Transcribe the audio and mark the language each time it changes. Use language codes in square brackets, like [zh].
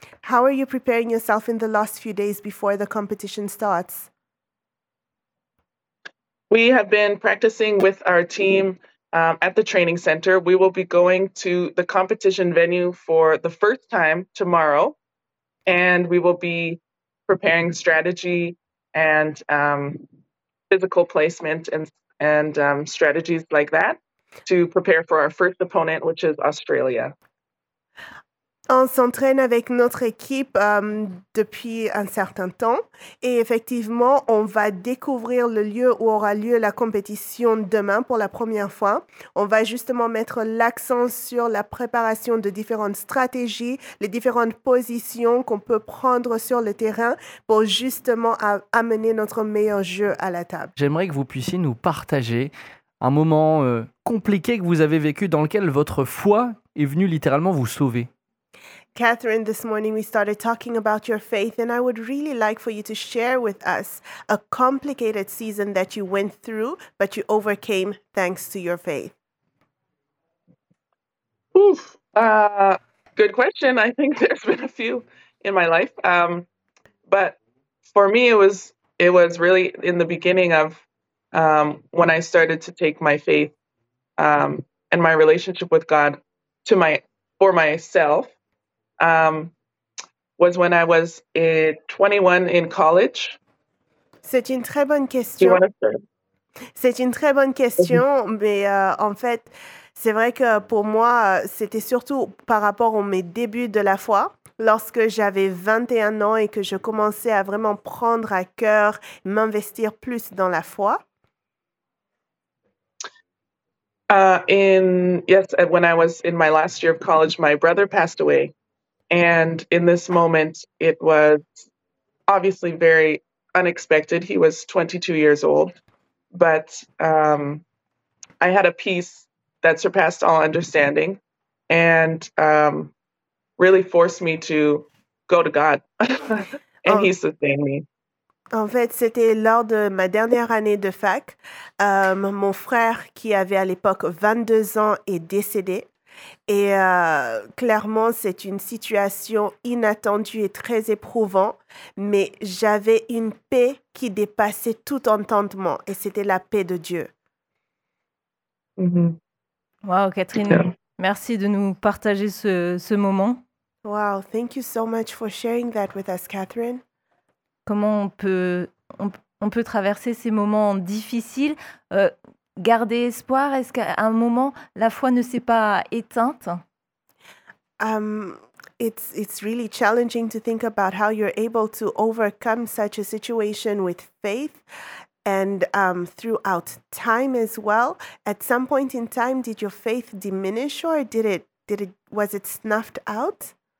[en] How are you preparing yourself in the last few days before the competition starts? We have been practicing with our team at the training center. We will be going to the competition venue for the first time tomorrow, and we will be preparing strategy and physical placement and strategies like that to prepare for our first opponent, which is Australia. [fr] On s'entraîne avec notre équipe depuis un certain temps et effectivement, on va découvrir le lieu où aura lieu la compétition demain pour la première fois. On va justement mettre l'accent sur la préparation de différentes stratégies, les différentes positions qu'on peut prendre sur le terrain pour justement amener notre meilleur jeu à la table. J'aimerais que vous puissiez nous partager un moment compliqué que vous avez vécu dans lequel votre foi est venue littéralement vous sauver. [en] Catherine, this morning we started talking about your faith, and I would really like for you to share with us a complicated season that you went through, but you overcame thanks to your faith. Oof, good question. I think there's been a few in my life, but for me it was really in the beginning of when I started to take my faith and my relationship with God for myself. Was when I was 21 in college. [fr] C'est une très bonne question. C'est une très bonne question, mais en fait, c'est vrai que pour moi, c'était surtout par rapport à mes débuts de la foi, lorsque j'avais 21 ans et que je commençais à vraiment prendre à cœur, m'investir plus dans la foi. [en] When I was in my last year of college, my brother passed away. And in this moment, it was obviously very unexpected. He was 22 years old, but I had a peace that surpassed all understanding and really forced me to go to God. And he sustained me. [fr] En fait, c'était lors de ma dernière année de fac. Mon frère, qui avait à l'époque 22 ans, est décédé. Et clairement, c'est une situation inattendue et très éprouvante, mais j'avais une paix qui dépassait tout entendement, et c'était la paix de Dieu. Mm-hmm. Wow, Catherine, merci de nous partager ce moment. [en] Wow, thank you so much for sharing that with us, Catherine. [fr] Comment on peut traverser ces moments difficiles garder espoir? Est-ce qu'à un moment la foi ne s'est pas éteinte? [en] It's really challenging to think about how you're able to overcome such a situation with faith and throughout time as well. At some point in time, did your faith diminish or did it was it snuffed out?